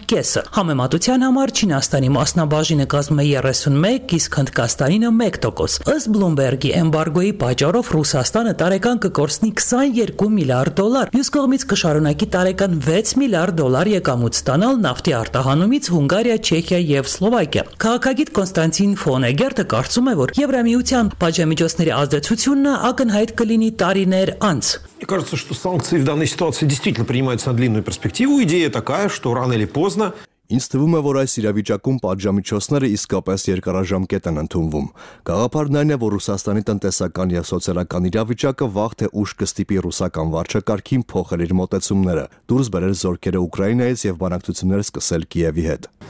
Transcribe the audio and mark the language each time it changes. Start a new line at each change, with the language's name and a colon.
Armenian: կեսը։ Համեմատության համար Չինաստանի մասնաբաժինը կազմում է 31, իսկ Հնդկաստանինը 1%։ Ըստ Bloomberg-ի էմբարգոյի պատճառով Ռուսաստանը տարեկան կկորցնի 22 միլիարդ դոլար, մյուս կողմից կշարունակի տարեկան 6 միլիարդ դոլար եկամուտ ստանալ նավթի արտահանումից Հունգարիա, Չեխիա և Սլովակիա։ Քաղաքագետ Կոնստանտին ֆոն Էգերտը կարծում է, որ Եվրամիության պատժամիջոցների ազդեցությունն ակնհայտ կլինի տարիներ անց։
Russian: Мне кажется, что санкции в данной ситуации действительно принимаются на длинную перспективу. Идея такая, что рано или поздно...
Armenian: Ինձ թվում է, որ այս իրավիճակում պատժամիջոցները իսկապես երկարաժամկետ են ընդունվում։ Գաղափարն այն է, որ Ռուսաստանի տնտեսական և սոցիալական իրավիճակը վաղ թե ուշ կստիպի ռուսական վարչակարգին փոխել իր մոտեցումները, դուրս բերել զորքերը Ուկրաինայից և բանակցություններ սկսել Կիևի հետ։